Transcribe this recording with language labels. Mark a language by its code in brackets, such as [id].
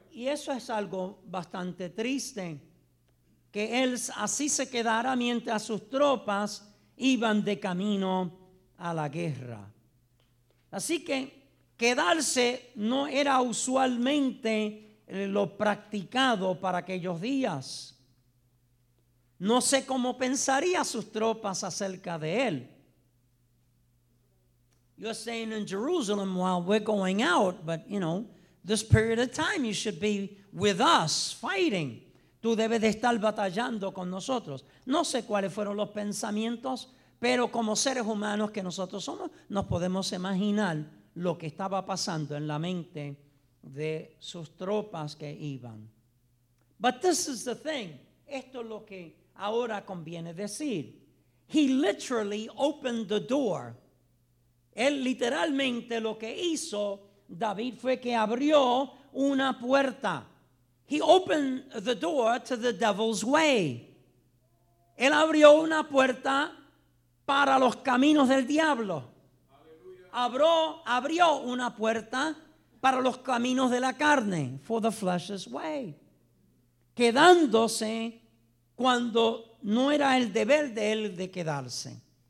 [es] Y eso es algo bastante triste, que él así se quedara mientras sus tropas iban de camino a la guerra. Así que quedarse no era usualmente lo practicado para aquellos días. No sé cómo pensaría sus tropas acerca de él. [en] You're staying in Jerusalem while we're going out, but you know, this period of time you should be with us fighting. [es] Tú debes de estar batallando con nosotros. No sé cuáles fueron los pensamientos, pero como seres humanos que nosotros somos, nos podemos imaginar lo que estaba pasando en la mente de sus tropas que iban. [en] But this is the thing. [es] Esto es lo que ahora conviene decir. [en] He literally opened the door. [es] Él literalmente lo que hizo David fue que abrió una puerta. [en] He opened the door to the devil's way. [es] Él abrió una puerta para los caminos del diablo. Abrió una puerta para los caminos de la carne. [en] For the flesh's way. [es] Quedándose cuando no era el deber de él de quedarse.